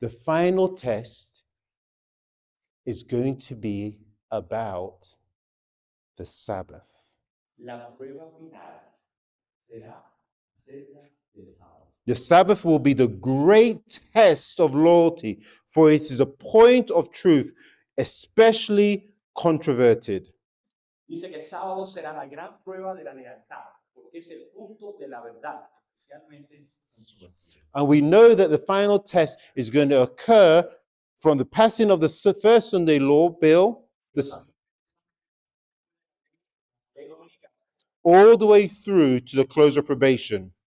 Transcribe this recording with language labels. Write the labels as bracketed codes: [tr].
[en] The final test is going to be about the Sabbath. [es] La prueba final será acerca del sábado. [en] The Sabbath will be the great test of loyalty, for it is a point of truth, especially controverted. [es] Dice que el sábado será la gran prueba de la lealtad, porque es el punto de la verdad, especialmente. [en] And we know that the final test is going to occur from the passing of the first Sunday law bill, all the way through to the close of probation.